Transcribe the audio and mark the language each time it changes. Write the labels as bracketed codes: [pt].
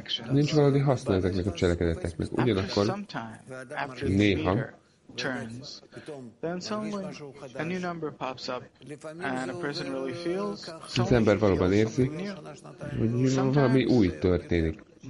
[hu] Nincs valódi haszna ezeknek a cselekedeteknek. Ugyanakkor néha [en] turns. Then someone, a new number pops up, and a person really feels something. [hu] Az ember valóban érzi, hogy valami új történik.